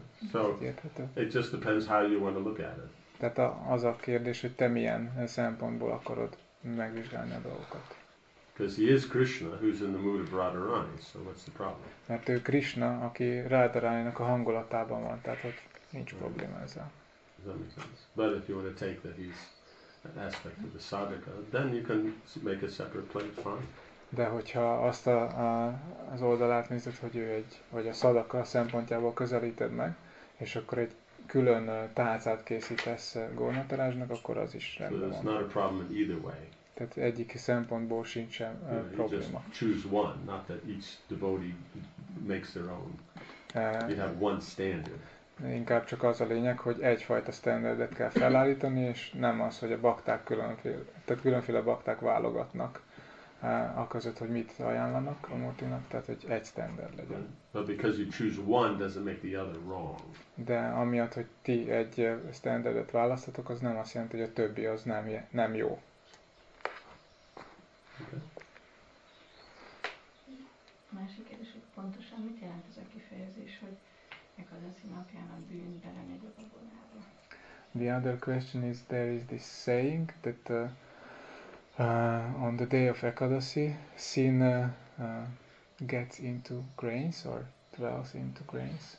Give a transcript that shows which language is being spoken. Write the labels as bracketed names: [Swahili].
[English] So it just depends how you want to look at it. [Hungarian] Tehát az a kérdés, hogy te milyen szempontból akarod megvizsgálni a dolgokat. [English] Because he is Krishna, who's in the mood of Radharani, so what's the problem? [Hungarian] Mert ő Krishna, aki Radharani-nak a hangulatában van, tehát ott nincs probléma ezzel. [English] Does that make sense? But if you want to take that he's an aspect of the sadhaka, then you can make a separate plate, fine. [Hungarian] De hogyha azt az oldalát nézed, hogy ő egy, vagy a szadaka szempontjából közelíted meg, és akkor egy külön tálcát készítesz Gornatarázsnak, akkor az is rendben van. [English] So there's not a problem in either way. [Hungarian] Tehát egyik szempontból sincsen probléma. [English] You just choose one, not that each devotee makes their own. You have one standard. [Hungarian] Inkább csak az a lényeg, hogy egyfajta standardet kell felállítani, és nem az, hogy a bakták különféle, tehát különféle bakták válogatnak a között, hogy mit ajánlanak a Murtinak, tehát hogy egy standard legyen. [English] But because you choose one doesn't make the other wrong. [Hungarian] De amiatt, hogy ti egy standardet választatok, az nem azt jelenti, hogy a többi az nem jó. Másik kérdés, hogy pontosan mit jelent ez a kifejezés, hogy Ekadasi napján a bűn belemegy a babonába? [English] The other question is, there is this saying that on the day of Ekadasi, sin gets into grains or dwells into grains.